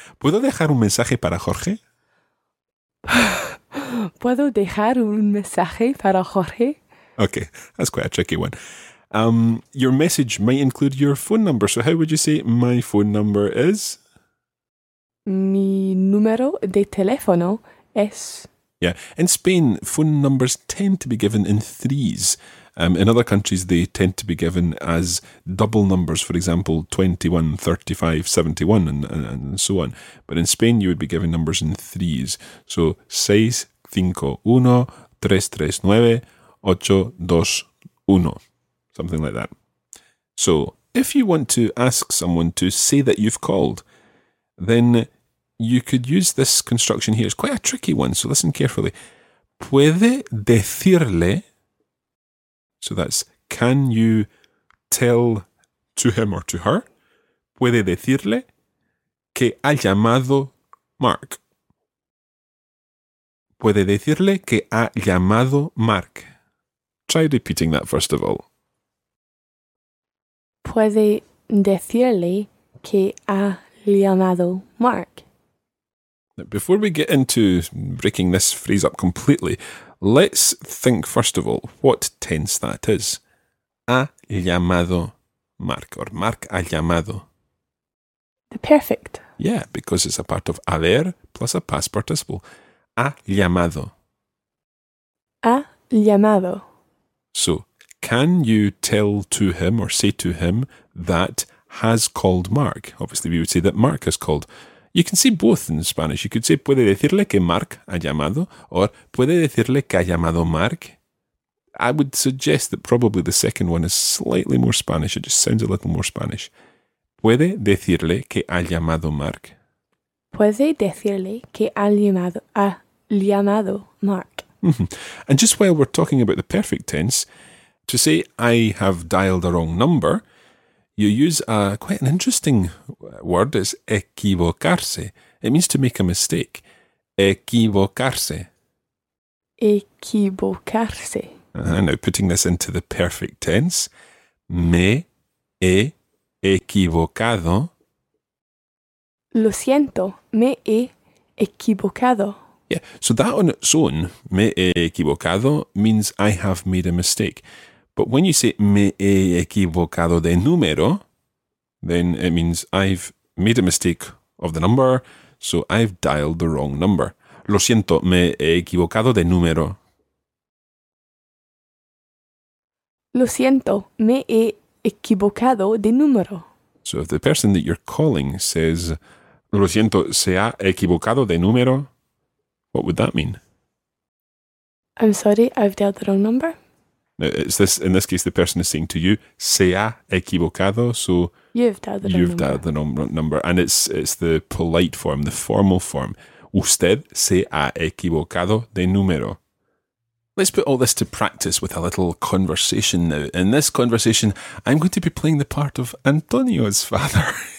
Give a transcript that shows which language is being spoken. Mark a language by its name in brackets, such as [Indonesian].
[Spanish] ¿Puedo dejar un mensaje para Jorge? ¿Puedo dejar un mensaje para Jorge? [English] Okay, that's quite a tricky one. Your message might include your phone number. So how would you say my phone number is? [Spanish] Mi número de teléfono es... [English] Yeah. In Spain, phone numbers tend to be given in threes. In other countries, they tend to be given as double numbers, for example, 21, 35, 71, and so on. But in Spain, you would be given numbers in threes. So, 6, 5, 1, 3, 3, 9, 8, 2, 1. Something like that. So, if you want to ask someone to say that you've called, then... you could use this construction here. It's quite a tricky one, so listen carefully. [Spanish] ¿Puede decirle? [English] So that's, can you tell to him or to her? [Spanish] ¿Puede decirle que ha llamado Mark? ¿Puede decirle que ha llamado Mark? [English] Try repeating that first of all. [Spanish] ¿Puede decirle que ha llamado Mark? [English] Before we get into breaking this phrase up completely, let's think, first of all, what tense that is. [Spanish] Ha llamado Mark, or Mark ha llamado. [English] The perfect. Yeah, because it's a part of haber plus a past participle. [Spanish] Ha llamado. Ha llamado. [English] So, can you tell to him or say to him that has called Mark? Obviously, we would say that Mark has called. You can say both in Spanish. You could say, [Spanish] ¿puede decirle que Mark ha llamado? Or, ¿puede decirle que ha llamado Mark? [English] I would suggest that probably the second one is slightly more Spanish. It just sounds a little more Spanish. [Spanish] ¿Puede decirle que ha llamado Mark? ¿Puede decirle que ha llamado Mark? [English] And just while we're talking about the perfect tense, to say, I have dialed a wrong number... you use quite an interesting word. It's equivocarse. It means to make a mistake. [Spanish] Equivocarse. Equivocarse. [English] Now putting this into the perfect tense. [Spanish] Me he equivocado. Lo siento, me he equivocado. [English] Yeah, so that on its own, [Spanish] me he equivocado, [English] means I have made a mistake. But when you say [Spanish] me he equivocado de número, [English] then it means I've made a mistake of the number, so I've dialed the wrong number. [Spanish] Lo siento, me he equivocado de número. Lo siento, me he equivocado de número. [English] So if the person that you're calling says, [Spanish] lo siento, se ha equivocado de número, [English] what would that mean? I'm sorry, I've dialed the wrong number. Now, it's this, in this case, the person is saying to you, se ha equivocado, so you've dialed the wrong number. And it's the polite form, the formal form. [Spanish] Usted se ha equivocado de número. [English] Let's put all this to practice with a little conversation now. In this conversation, I'm going to be playing the part of Antonio's father.